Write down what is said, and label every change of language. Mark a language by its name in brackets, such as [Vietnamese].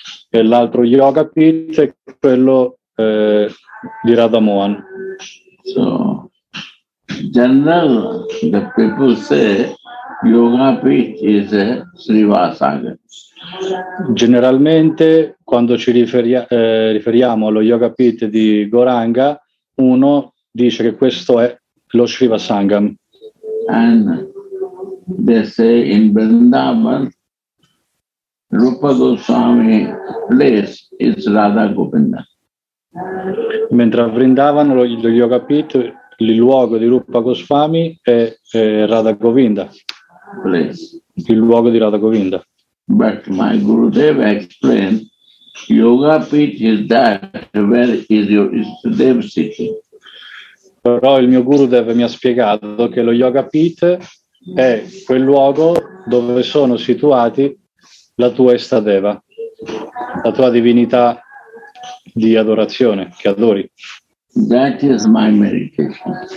[Italian] E l'altro yoga pit è quello di Radha Mohan. [English] So, general, the people say yoga pit is Srivasagar. [Italian] Generalmente, quando ci riferiamo allo yoga pit di Gauranga, uno dice che questo è lo Shiva Sangam. [English] And they say in Vrindavan, Rupa Goswami place is Radha Govinda. [Italian] Mentre a Vrindavan, lo yoga pit, il luogo di Rupa Goswami è Radha Govinda. [English] Place. [Italian] Il luogo di Radha Govinda. [English] But my Gurudev explained, yoga pit is that where is your Ishtadev sitting. [Italian] Però il mio Gurudev mi ha spiegato che lo yoga pit è quel luogo dove sono situati la tua Ishtadeva, la tua divinità di adorazione, che adori. [English] That is my meditation.